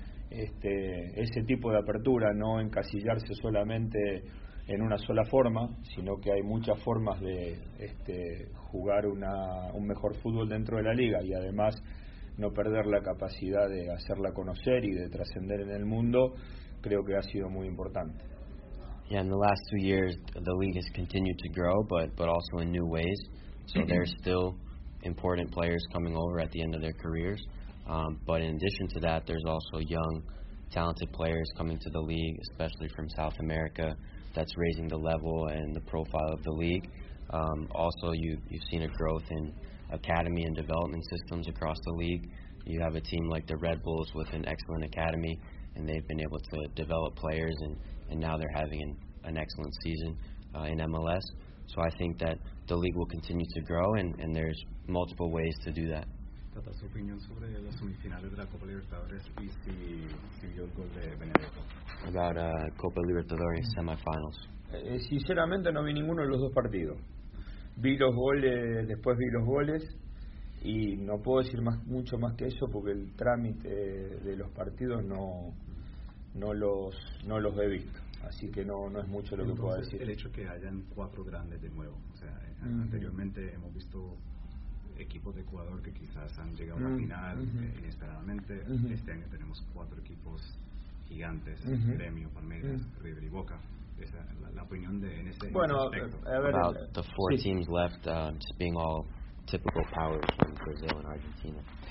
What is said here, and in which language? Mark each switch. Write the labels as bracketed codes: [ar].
[es] ese tipo de apertura, no encasillarse solamente en una sola forma, sino que hay muchas formas de jugar un mejor fútbol dentro de la liga, y además no perder la capacidad de hacerla conocer y de trascender en el mundo, creo que ha sido muy importante. [en] Yeah, in the last 2 years the league has continued to grow, but also in new ways, so there's still important players coming over at the end of their careers. But in addition to that, there's also young, talented players coming to the league, especially from South America, that's raising the level and the profile of the league. Also, you've seen a growth in academy and development systems across the league. You have a team like the Red Bulls with an excellent academy, and they've been able to develop players, and now they're having an excellent season in MLS. So I think that the league will continue to grow, and there's multiple ways to do that. [es] Tata, su opinión sobre las semifinales de la Copa Libertadores y si vio el gol de Benedetto. [en] About Copa Libertadores semifinals. [es] Sinceramente no vi ninguno de los dos partidos. Vi los goles, después vi los goles, y no puedo decir más, mucho más que eso, porque el trámite de los partidos no los he visto. Así que no es mucho lo que puedo decir. El hecho que hayan cuatro grandes de nuevo. O sea, anteriormente hemos visto equipos de Ecuador que quizás han llegado a la final inesperadamente. Este año tenemos cuatro equipos gigantes: Gremio, Palmeiras, River y Boca. Esa es la opinión de en ese bueno, aspecto. A ver, [en] about the four teams left just being all typical powers from Brazil and Argentina.